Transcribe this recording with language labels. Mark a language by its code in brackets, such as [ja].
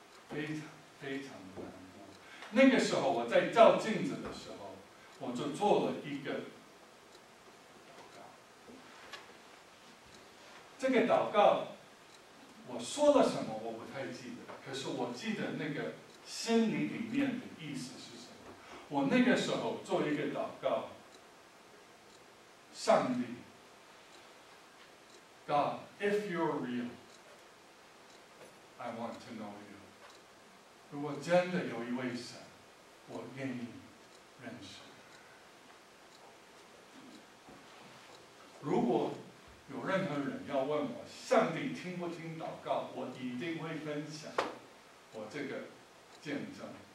[zh] 非常非常的难过。那个时候我在照镜子的时候，我就做了一个祷告。这个祷告我说了什么我不太记得，可是我记得那个心理里面的意思是什么。我那个时候做一个祷告，上帝 [en] God, if you're real, I want to know you。 [zh] 如果真的有一位神，我愿意认识。如果有任何人要问我上帝听不听祷告，我一定会分享我这个见证。